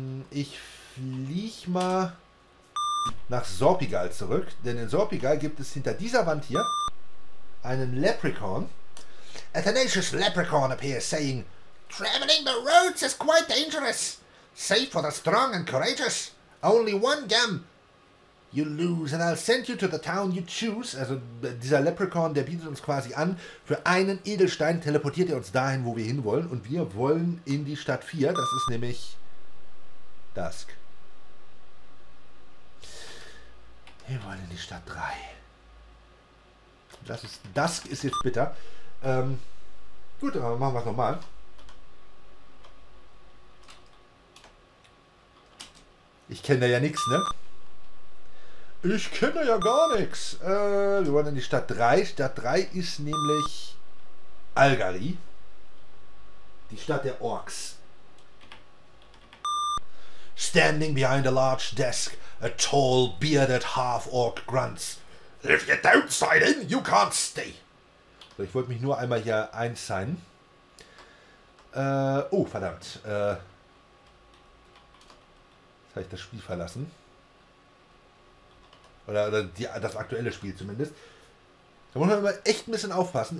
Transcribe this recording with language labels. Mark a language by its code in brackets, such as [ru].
[de] Ich fliege mal nach Sorpigal zurück. Denn in Sorpigal gibt es hinter dieser Wand hier einen Leprechaun. [en] A tenacious Leprechaun appears saying, "Traveling the roads is quite dangerous. Save for the strong and courageous. Only one gem you lose and I'll send you to the town you choose." [de] Also dieser Leprechaun, der bietet uns quasi an, für einen Edelstein teleportiert er uns dahin, wo wir hinwollen. Und wir wollen in die Stadt 4. Das ist nämlich Dusk. Wir wollen in die Stadt 3. Dusk ist jetzt bitter. Gut, aber machen wir es nochmal. Ich kenne ja nichts, ne? Ich kenne ja gar nichts. Wir wollen in die Stadt 3. Stadt 3 ist nämlich Algari. Die Stadt der Orks. [en] Standing behind a large desk, a tall, bearded half-orc grunts. If you don't sign in, you can't stay. [de] So, ich wollte mich nur einmal hier einsignen. Oh, verdammt. Jetzt habe ich das Spiel verlassen. Oder das aktuelle Spiel zumindest. Da muss man aber echt ein bisschen aufpassen.